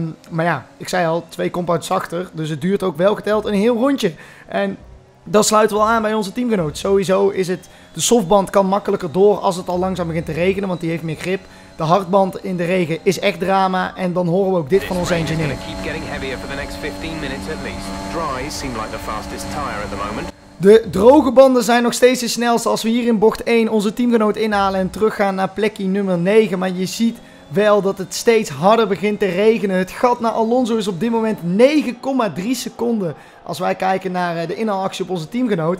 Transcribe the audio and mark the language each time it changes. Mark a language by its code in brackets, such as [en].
[nl] Maar ja, ik zei al, 2 compounds zachter. Dus het duurt ook wel geteld een heel rondje. En dat sluit wel aan bij onze teamgenoot. Sowieso is het, de softband kan makkelijker door als het al langzaam begint te regenen. Want die heeft meer grip. De hardband in de regen is echt drama. En dan horen we ook dit van onze engineer. [en] Keep getting heavier for the next 15 minutes at least. Dry seem like the fastest tire at the moment. [nl] De droge banden zijn nog steeds de snelste als we hier in bocht 1 onze teamgenoot inhalen en teruggaan naar plekje nummer 9. Maar je ziet wel dat het steeds harder begint te regenen. Het gat naar Alonso is op dit moment 9,3 seconden als wij kijken naar de inhaalactie op onze teamgenoot.